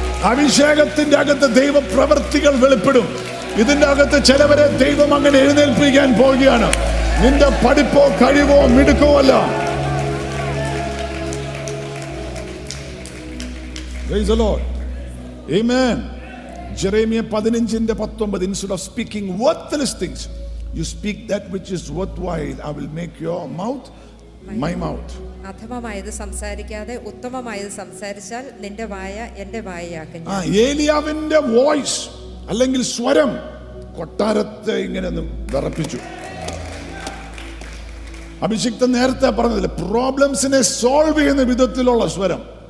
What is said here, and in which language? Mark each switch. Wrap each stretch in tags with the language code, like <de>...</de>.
<ml>അഭിഷേകത്തിന്റെ അകത്ത് ദൈവ പ്രവൃത്തികൾ വെളിപ്പെടും ഇതിന്റെ അകത്ത് ചിലവരെ ദൈവം അങ്ങനെ എഴുന്നേൽപ്പിക്കാൻ പോവുകയാണ് നിന്റെ പഠിപ്പോ കഴിവോ മിടുക്കോ അല്ല</ml> <en>Praise the Lord. Amen. Jeremiah 15:19 Instead of speaking worthless things, you speak that which is worthwhile. I will make your mouth my mouth.</en> <ml>അധമമായത് സംസാരിക്കാതെ ഉത്തമമായത് സംസാരിച്ചാൽ നിന്റെ വായ എന്റെ വായയാക്കുന്നു. ആ ഏലിയാവിന്റെ വോയിസ് അല്ലെങ്കിൽ സ്വരം കൊട്ടാരത്തെ ഇങ്ങനെ വിറപ്പിച്ചു. അഭിഷിക്തൻ നേരത്തെ പറഞ്ഞതല്ലേ പ്രോബ്ലംസിനെ സോൾവ് ചെയ്യുന്ന വിധത്തിലുള്ള സ്വരം.</ml>